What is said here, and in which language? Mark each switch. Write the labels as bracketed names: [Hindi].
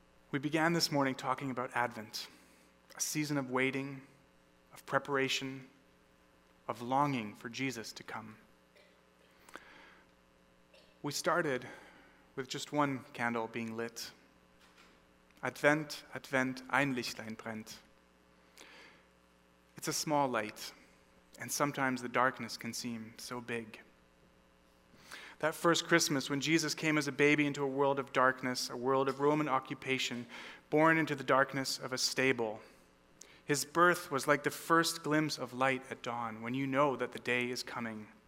[English] We began this morning talking about Advent, a season of waiting, of preparation, of longing for Jesus to come. We started with just one candle being lit. [German] Advent, Advent, ein Lichtlein brennt. [English] It's a small light, and sometimes the darkness can seem so big. That first Christmas, when Jesus came as a baby into a world of darkness, a world of Roman occupation, born into the darkness of a stable, his birth was like the first glimpse of light at dawn, when you know that the day is coming.